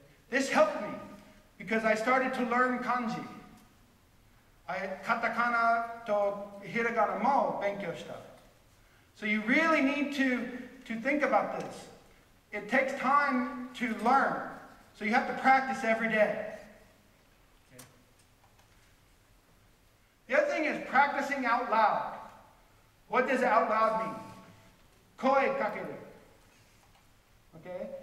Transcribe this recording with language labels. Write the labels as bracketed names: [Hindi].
[English] This helped me because I started to learn 漢字。 [Japanese] カタカナとひらがなも勉強した。 [English] So you really need to think about this. It takes time to learn. So you have to practice every day. The other thing is practicing out loud. What does out loud mean? [Japanese] 声かける。 [English] Okay?